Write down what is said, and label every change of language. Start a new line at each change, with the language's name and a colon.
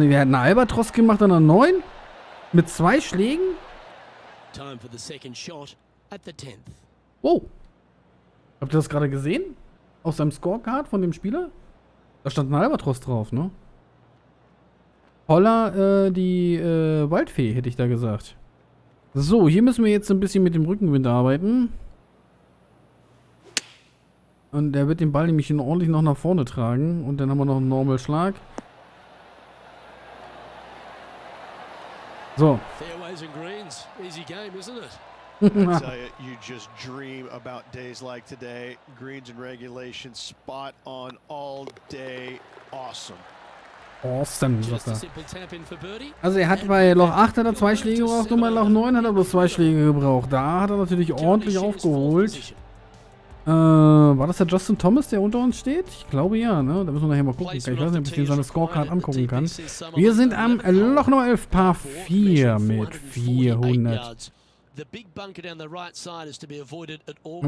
German: Wir hatten einen Albatros gemacht und einen neuen? Mit zwei Schlägen?
English: Time for the second shot at the 10th.
German: Wow. Habt ihr das gerade gesehen? Auf seinem Scorecard von dem Spieler? Da stand ein Albatros drauf, ne? Holla, Waldfee, hätte ich da gesagt. So, hier müssen wir jetzt ein bisschen mit dem Rückenwind arbeiten. Und der wird den Ball nämlich ordentlich noch nach vorne tragen. Und dann haben wir noch einen Normalschlag. So.
English: Fairways and greens. Easy game, isn't it? I tell you, you just dream about days like today. Greens and regulation spot on all day. Awesome.
German: Also er hat bei Loch 8 hat er zwei Schläge gebraucht und bei Loch 9 hat er bloß zwei Schläge gebraucht. Da hat er natürlich ordentlich aufgeholt. War das der Justin Thomas, der unter uns steht? Ich glaube ja, ne? Da müssen wir nachher mal gucken. Ich weiß nicht, ob ich den seine Scorecard angucken kann. Wir sind am Loch Nummer 11, Par 4 mit 400.
English: The big bunker down the right side is to be avoided at all